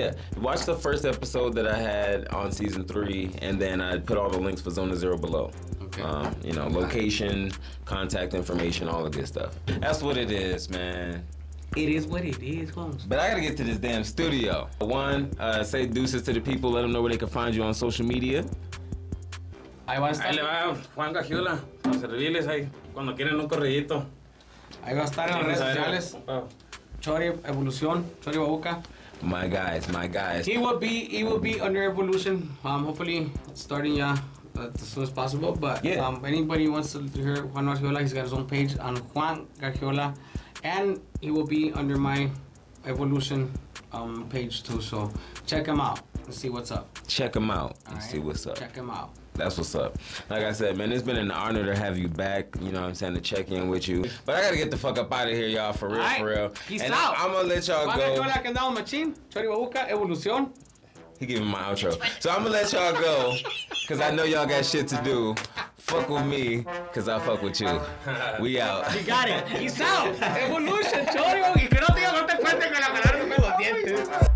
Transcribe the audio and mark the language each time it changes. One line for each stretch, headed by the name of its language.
English: Yeah, watch the first episode that I had on season 3, and then I put all the links for Zona Zero below. Okay. You know, location, contact information, all of this stuff. That's what it is, man. It is what it is, homes. But I gotta get to this damn studio. One, say deuces to the people, let them know where they can find you on social media. I want to start.
Spanish: Ahí le va Juan Gajula, a servirles ahí, cuando quieren un corridito. Ahí va a estar en las redes sociales. Chorii Evolucion, Chorii Babuca.
English: My guys. He will be under Evolution. Hopefully starting as soon as possible. But yeah. Anybody wants to hear Juan Gargiola, he's got his own page on Juan Gargiola. And he will be under my Evolution page too. So check him out and see what's up. Check him out and see what's up. Check him out. That's what's up. Like I said, man, it's been an honor to have you back, you know what I'm saying, to check in with you. But I gotta get the fuck up out of here, y'all, for real, right. Peace and out. I'm gonna let y'all go. He gave me my outro. So I'm gonna let y'all go, because I know y'all got shit to do. Fuck with me, because I fuck with you. We out. He got it. Peace out. Evolution, Chorii.
Spanish: Y que no digas, no te cuentes que la palabra me los dientes.